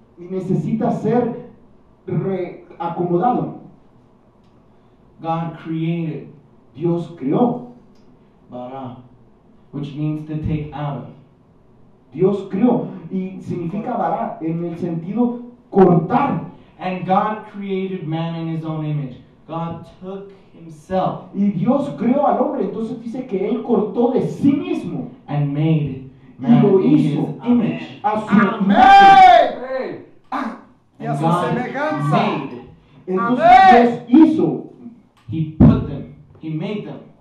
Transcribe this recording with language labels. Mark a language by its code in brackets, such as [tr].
[es] Y necesita ser reacomodado. [en] God created. [es] Dios creó. [en] Bara. Which means to take out. [es] Dios creó y significa bará en el sentido cortar. [en] And God created man in his own image. God took himself. [es] Y Dios creó al hombre, entonces dice que él cortó de sí mismo. [en] And made man [es] y lo hizo [en] in his image. Amen. [es] A su amen. Imagen. Y a su semejanza. Entonces Dios hizo. [en] He put them. He made them.